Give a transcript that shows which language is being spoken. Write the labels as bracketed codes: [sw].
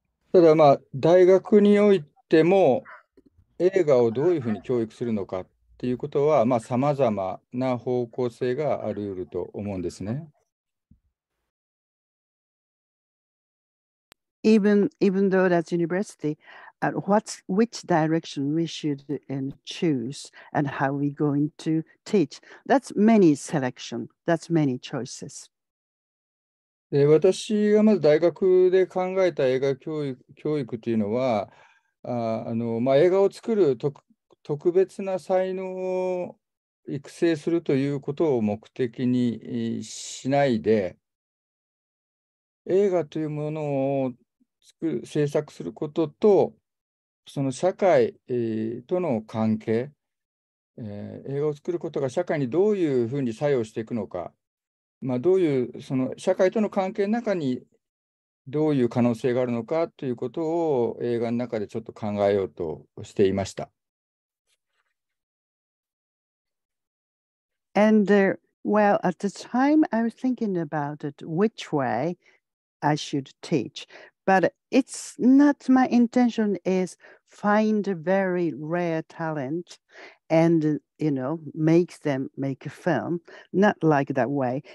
[ja] ただまあ大学においてでも映画をどういうふうに教育するのかっていうことは、まあ、様々な方向性があり得ると思うんですね。 [en] Even though that's university, which direction we should choose and how we going to teach? That's many selection. That's many choices. [ja] 私がまず大学で考えた映画教育というのは、まあ、映画を作る特別な才能を育成するということを目的にしないで、映画というものを制作することと、その社会との関係、映画を作ることが社会にどういうふうに作用していくのか、まあ、どういうその社会との関係の中にどういう可能性があるのかということを映画の中でちょっと考えようとしていました。 [en] And well, at the time I was thinking about it, which way I should teach, but it's not my intention is find a very rare talent and make them make a film, not like that way.